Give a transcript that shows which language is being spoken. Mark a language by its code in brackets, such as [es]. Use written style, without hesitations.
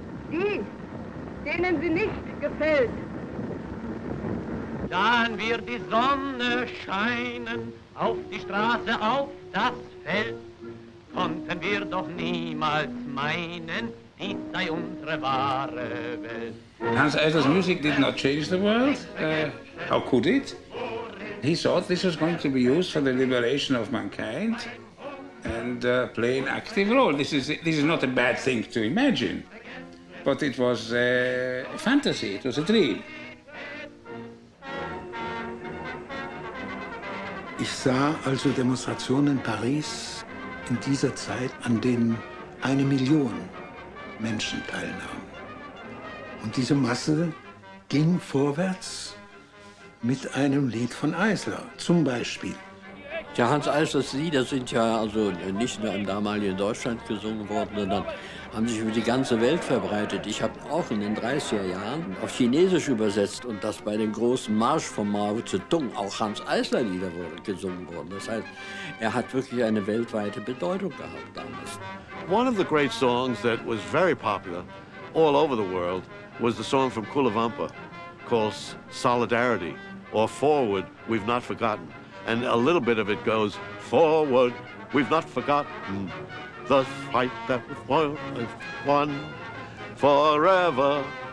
[de] Die, denen sie nicht gefällt. Dann wird die Sonne scheinen auf die Straße, auf das Feld. Konnten wir doch niemals meinen, dies sei unsere wahre Welt. [en] Hans Eisler's music did not change the world. How could it? He thought this was going to be used for the liberation of mankind and play an active role. This is not a bad thing to imagine, but it was a fantasy, it was a dream. [de] Ich sah also Demonstrationen in Paris in dieser Zeit, an denen 1 Million Menschen teilnahmen. Und diese Masse ging vorwärts mit einem Lied von Eisler, zum Beispiel. Ja, Hans Eislers Lieder sind ja also nicht nur im damaligen Deutschland gesungen worden, sondern haben sich über die ganze Welt verbreitet. Ich habe auch in den 30er Jahren auf Chinesisch übersetzt und das bei dem großen Marsch von Mao Zedong auch Hans Eisler Lieder gesungen worden. Das heißt, er hat wirklich eine weltweite Bedeutung gehabt damals. [en] One of the great songs that was very popular all over the world was the song from Kulavampa, calls Solidarity, or Forward, We've Not Forgotten. And a little bit of it goes, Forward, we've not forgotten the fight that we've won forever.